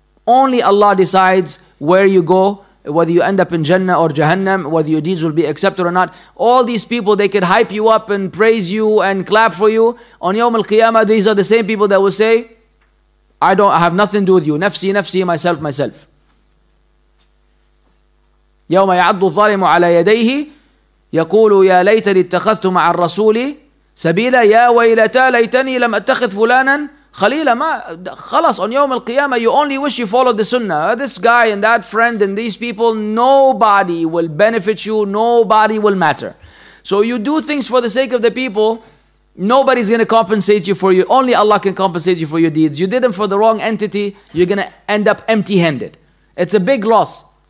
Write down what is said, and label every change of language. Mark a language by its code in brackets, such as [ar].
[en] Only Allah decides where you go, whether you end up in Jannah or Jahannam, whether your deeds will be accepted or not. All these people, they could hype you up and praise you and clap for you. On Yawm al-Qiyamah, these are the same people that will say, I have nothing to do with you. Nafsi, nafsi, myself, myself. [ar] يَوْمَ يَعَدُّ الظَّالِمُ عَلَى يَدَيْهِ يَقُولُ يَا لَيْتَنِي اتَّخَذْتُ مَعَ الرَّسُولِ سبيلا يا ويلتا ليتني لم اتخذ فلانا خليلا. ما خلاص [en] on يوم القيامة, you only wish you followed the sunnah. This guy and that friend and these people, nobody will benefit you, nobody will matter. So you do things for the sake of the people, nobody's going to compensate you for you. Only Allah can compensate you for your deeds. You did them for the wrong entity, you're going to end up empty-handed. It's a big loss.